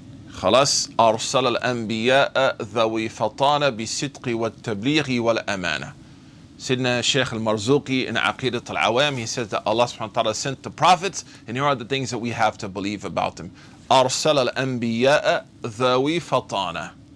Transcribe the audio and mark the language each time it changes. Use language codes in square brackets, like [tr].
[ar] خلاص, أرسل الأنبياء ذوي فطانة بالصدق والتبليغ والأمانة. [en] Sayyidina Sheikh al-Marzuqi in Aqidat al-Awam, he says that Allah subhanahu wa ta'ala sent the prophets, and here are the things that we have to believe about them. [ar] أرسل الأنبياء ذوي فطانة.